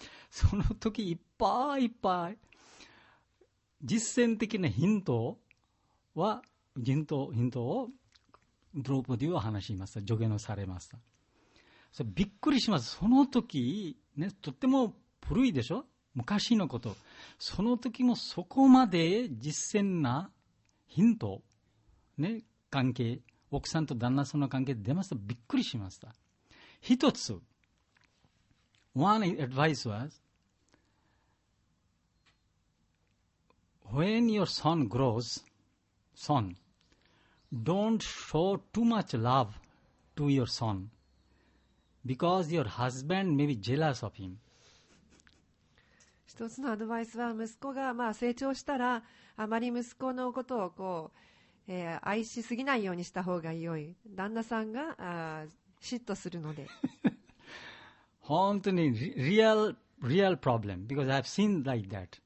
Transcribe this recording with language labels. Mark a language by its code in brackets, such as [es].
[ja] その時いっぱいいっぱい実践的なヒントをドローポディを話しました。助言をされました。 So, びっくりします。その時、ね、とっても古いでしょ？昔のこと。その時もそこまで実践なヒント、ね、関係、奥さんと旦那さんの関係出ました。びっくりしました。一つ、 [en] one advice was, when your son grows, son, don't show too much love to your son, because your husband may be jealous of him. [ja] 一つのアドバイスは、息子がまあ成長したら、あまり息子のことをこう、愛しすぎないようにした方が良い。旦那さんが嫉妬するので。本当に [en] real problem, because I have seen like that.